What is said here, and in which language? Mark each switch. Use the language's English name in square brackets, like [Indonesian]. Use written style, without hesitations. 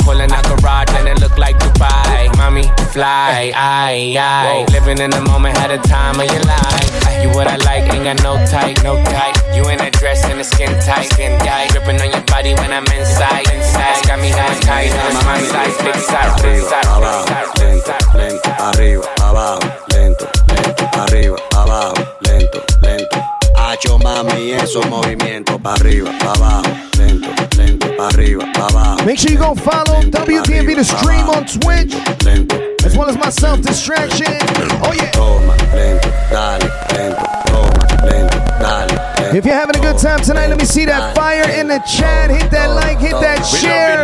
[English] Pulling out garage and it look like Dubai. Mommy, fly, I. Living in the moment, had a time of your life. You what I like, ain't got no type, no type. You in a dress and a skin tight, skin tight. Dripping on your body when I'm inside. It's got me that tight, my mind size, big size, big size. [Spanish] Lento, arriba, abajo, lento, lento, arriba, abajo, lento, lento. Acho mami, esos movimientos. Pa' arriba, pa' abajo, lento, lento, pa' arriba, pa' abajo. [English] Make sure you go follow WDMV the stream on Twitch. Lento, as well as myself, Distraction. Oh yeah. [Spanish] Toma, lento, dale, lento, toma, lento, dale. [English] If you're having a good time tonight, let me see that fire in the chat. Hit that like, hit that share.